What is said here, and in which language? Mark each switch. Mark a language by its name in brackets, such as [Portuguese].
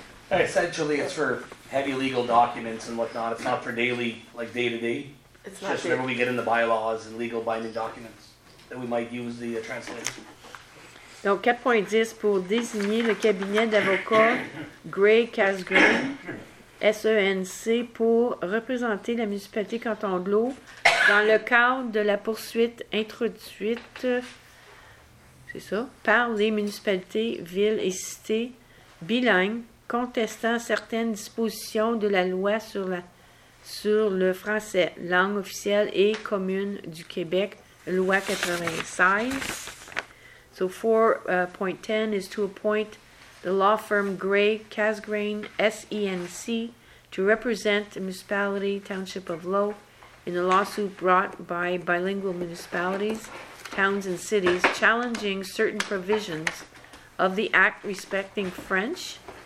[English] Essentially, it's for heavy legal documents and whatnot. It's not for daily, like day-to-day. It's just whenever we get in the bylaws and legal binding documents. That we might use the translation. [French] Donc 4.10 pour désigner le cabinet d'avocats Gray Casgrain SENC pour représenter la municipalité Cantanglo dans le cadre de la poursuite introduite, c'est ça, par les municipalités, villes et cités bilingues contestant certaines dispositions de la loi sur le français, langue officielle et commune du Québec. Loi 96. [English] So 4.10 is to appoint the law firm Gray Casgrain SENC to represent the municipality Township of Lowe in a lawsuit brought by bilingual municipalities, towns, and cities challenging certain provisions of the Act respecting French